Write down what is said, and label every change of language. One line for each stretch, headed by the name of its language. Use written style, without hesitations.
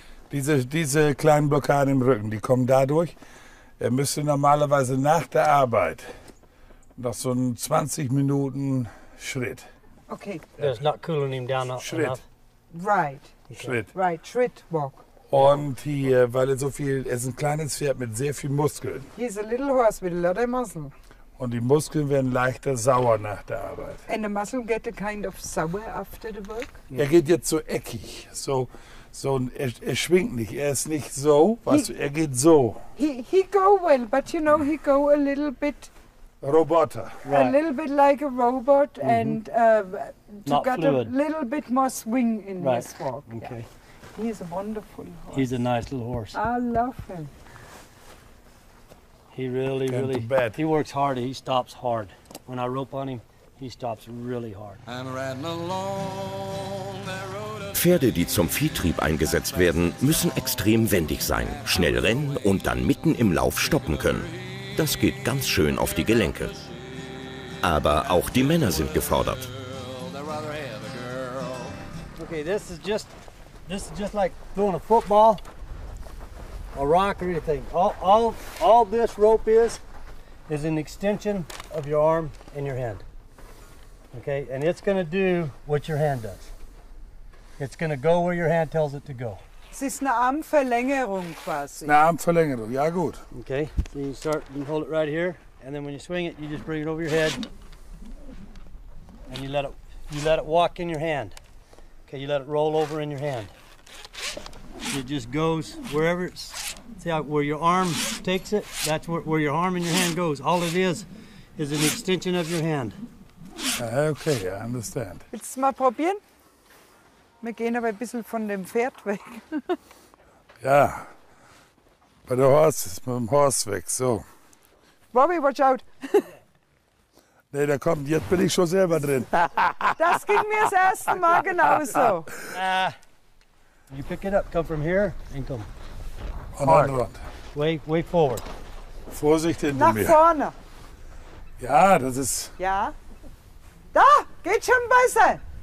German: Diese kleinen Blockaden im Rücken, die kommen dadurch. Er müsste normalerweise nach der Arbeit noch so einen 20 Minuten Schritt.
English: Okay. It's not cooling him down
German: Schritt.
English: Enough. Right.
German: Okay. Schritt.
English: Right. Schritt walk.
German: Und hier, weil er so viel, er ist ein kleines Pferd mit sehr viel Muskeln.
English: He's a little horse with a lot of muscle.
German: Und die Muskeln werden leichter sauer nach der Arbeit.
English: And the muscle get a kind of sour after the work?
German: Er geht jetzt so eckig. Er schwingt nicht. Er ist nicht so, er geht so.
English: He go well, but you know, he go a little bit...
German: Roboter.
English: Right. A little bit like a robot and to not get fluid. A little bit more swing in this walk. Okay. Yeah. He is a wonderful horse. He's a nice little horse. I love him. He really, really, he works hard, he stops hard. When I rope on him, he stops really hard.
German: Pferde, die zum Viehtrieb eingesetzt werden, müssen extrem wendig sein, schnell rennen und dann mitten im Lauf stoppen können. Das geht ganz schön auf die Gelenke. Aber auch die Männer sind gefordert.
English: Okay, this is just like throwing a football. A rock or anything. All this rope is an extension of your arm and your hand. Okay, and it's gonna do what your hand does. It's gonna go where your hand tells it to go.
German: Es ist eine Armverlängerung quasi. Eine Armverlängerung, ja gut.
English: Okay, so you start and hold it right here, and then when you swing it, you just bring it over your head. And you let it walk in your hand. Okay, you let it roll over in your hand. It just goes wherever it's. See how, where your arm takes it, that's where your arm and your hand goes. All it is an extension of your hand. Okay, I understand.
German: Willst du es mal probieren? Wir gehen aber ein bisschen von dem Pferd weg. Ja, bei der Horse ist mit dem Horse weg, so.
English: Bobby, watch out.
German: Nee, da kommt, jetzt bin ich schon selber drin. Das ging mir das erste Mal genauso.
English: You pick it up, come from here and come.
German: An der anderen Wand.
English: Way forward.
German: Vorsicht hinter nach mir. Nach vorne. Ja, das ist... Ja. Da, geht schon besser.